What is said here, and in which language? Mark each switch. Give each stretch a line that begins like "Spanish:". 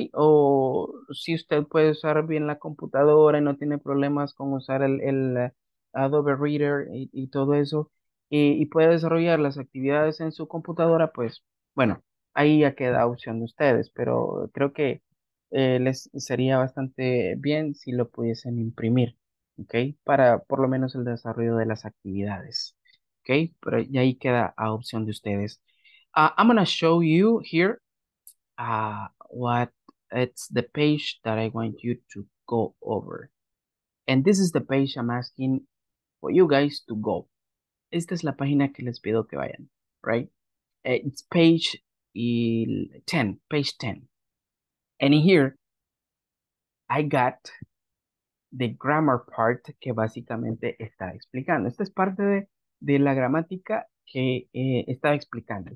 Spanish: O si usted puede usar bien la computadora y no tiene problemas con usar el Adobe Reader y todo eso, y puede desarrollar las actividades en su computadora, pues, bueno, ahí ya queda opción de ustedes, pero creo que les sería bastante bien si lo pudiesen imprimir, ¿ok? Para por lo menos el desarrollo de las actividades, ¿ok? Pero y ahí queda a opción de ustedes.
English: I'm going to show you here what it's the page that I want you to go over. And this is the page I'm asking for you guys to go.
Spanish: Esta es la página que les pido que vayan, right?
English: It's page 10, page 10. And here, I got the grammar part
Spanish: que básicamente está explicando. Esta es parte de la gramática que está explicando.